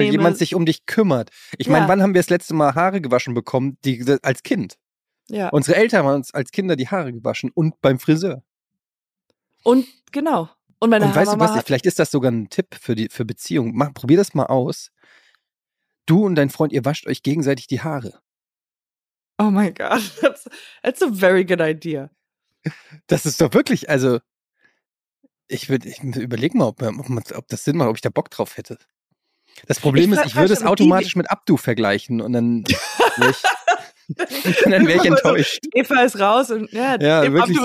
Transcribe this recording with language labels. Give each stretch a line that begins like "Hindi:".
German: Weil jemand sich um dich kümmert. Ich meine, wann haben wir das letzte Mal Haare gewaschen bekommen, als Kind? Ja. Unsere Eltern haben uns als Kinder die Haare gewaschen und beim Friseur. Und genau. Und meine Haare. Weißt du was, vielleicht ist das sogar ein Tipp für Beziehungen. Probier das mal aus. Du und dein Freund, ihr wascht euch gegenseitig die Haare. Oh mein Gott,
English: that's a very good idea.
German: Das ist doch wirklich, also, ich überlege mal, ob das Sinn macht, ob ich da Bock drauf hätte. Das Problem ist, ich würde es automatisch mit Abdu vergleichen und dann wäre ich enttäuscht. So, Eva ist raus und ja, Abdu so,